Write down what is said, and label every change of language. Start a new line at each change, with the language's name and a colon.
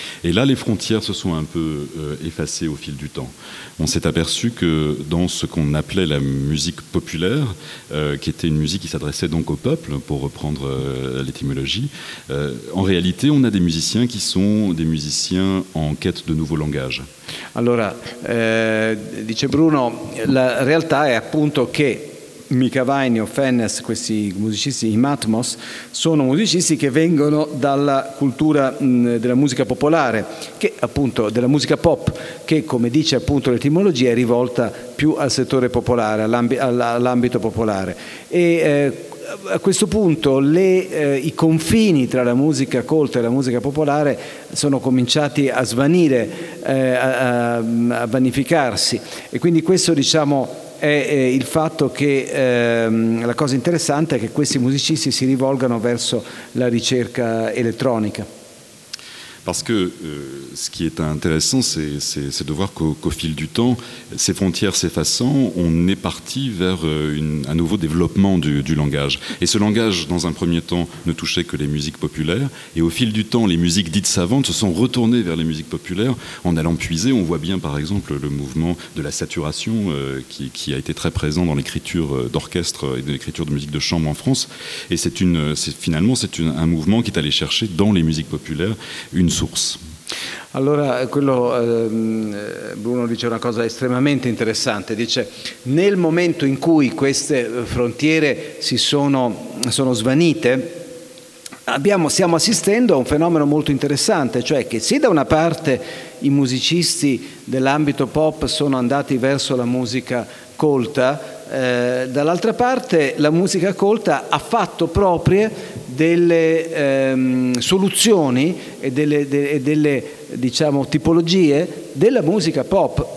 French: Et là, les frontières se sont un peu effacées au fil du temps. On s'est aperçu que dans ce qu'on appelait la musique populaire, qui était une musique qui s'adressait donc au peuple, pour reprendre l'étymologie, en réalité, on a des musiciens qui sont des musiciens en quête de nouveaux langages.
Italian: Allora, dice Bruno, la realtà è appunto che Mika Vainio, Fennes, questi musicisti, i Matmos, sono musicisti che vengono dalla cultura della musica popolare, che appunto della musica pop, che come dice appunto l'etimologia è rivolta più al settore popolare, all'ambito popolare. E a questo punto i confini tra la musica colta e la musica popolare sono cominciati a svanire, a vanificarsi. E quindi questo, diciamo, è il fatto che la cosa interessante è che questi musicisti si rivolgano verso la ricerca elettronica.
French: Parce que ce qui est intéressant, c'est de voir qu'au fil du temps, ces frontières s'effaçant, on est parti vers un nouveau développement du langage. Et ce langage, dans un premier temps, ne touchait que les musiques populaires. Et au fil du temps, les musiques dites savantes se sont retournées vers les musiques populaires en allant puiser. On voit bien, par exemple, le mouvement de la saturation qui a été très présent dans l'écriture d'orchestre et de l'écriture de musique de chambre en France. Et c'est un mouvement qui est allé chercher dans les musiques populaires une source.
Italian: Allora, quello Bruno dice una cosa estremamente interessante, dice nel momento in cui queste frontiere si sono svanite, stiamo assistendo a un fenomeno molto interessante, cioè che se da una parte i musicisti dell'ambito pop sono andati verso la musica colta, dall'altra parte la musica colta ha fatto proprie delle soluzioni e delle diciamo tipologie della musica pop.